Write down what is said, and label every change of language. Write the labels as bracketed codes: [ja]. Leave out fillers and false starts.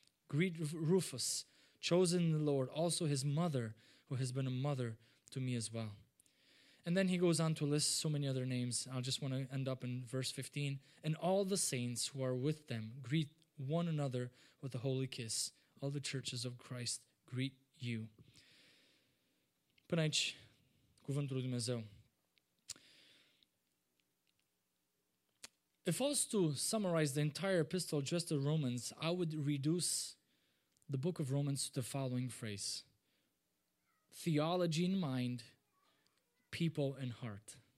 [en] Greet Rufus, chosen in the Lord, also his mother, who has been a mother to me as well. And then he goes on to list so many other names. I just want to end up in verse 15. And all the saints who are with them greet one another with a holy kiss. All the churches of Christ greet you. [ro] Până aici, cuvântul lui Dumnezeu. [en] If I was to summarize the entire epistle just to Romans, I would reduce the book of Romans to the following phrase: theology in mind, people in heart.